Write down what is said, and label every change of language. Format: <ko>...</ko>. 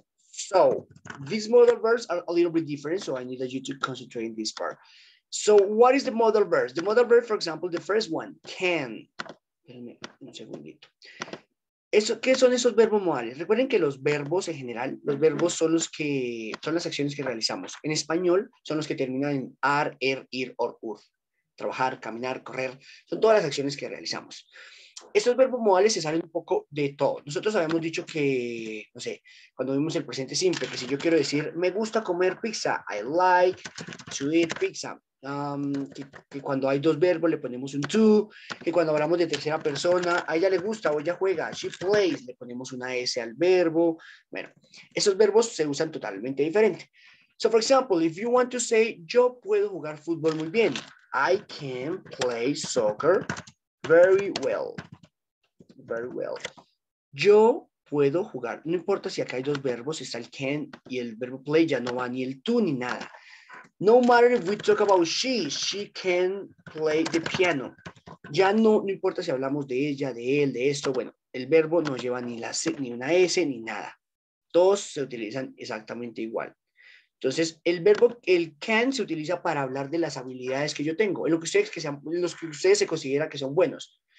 <en>So, these modal verbs are a little bit different, so I need you to concentrate in this part. So, what is the modal verb? The modal verb, for example, the first one, can.</en> <es>Espérenme un segundito. Eso, ¿qué son esos verbos modales? Recuerden que los verbos en general, los verbos son los que son las acciones que realizamos. En español, son los que terminan en ar, er, ir, or, ur. Trabajar, caminar, correr, son todas las acciones que realizamos. Estos verbos modales se salen un poco de todo. Nosotros habíamos dicho que, no sé, cuando vimos el presente simple, que si yo quiero decir, me gusta comer pizza,</es> <en>I like to eat pizza.</en> <es>Que cuando hay dos verbos le ponemos un to, que cuando hablamos de tercera persona, a ella le gusta o ella juega,</es> <en>she plays,</en> <es>le ponemos una S al verbo. Bueno, esos verbos se usan totalmente diferente.</es> <en>So, for example, if you want to say,</en> <es>yo puedo jugar fútbol muy bien,</es> <en>I can play soccer very well. Very well.</en> <es>Yo puedo jugar. No importa si acá hay dos verbos, está el can y el verbo play, ya no va ni el tú ni nada.</es> <en>No matter if we talk about she can play the piano.</en> <es>Ya no importa si hablamos de ella, de él, de esto. Bueno, el verbo no lleva ni una S ni nada. Todos se utilizan exactamente igual. Entonces, el verbo, el can, se utiliza para hablar de las habilidades que yo tengo, en lo que ustedes, que sean, los que ustedes se consideran que son buenos.</es>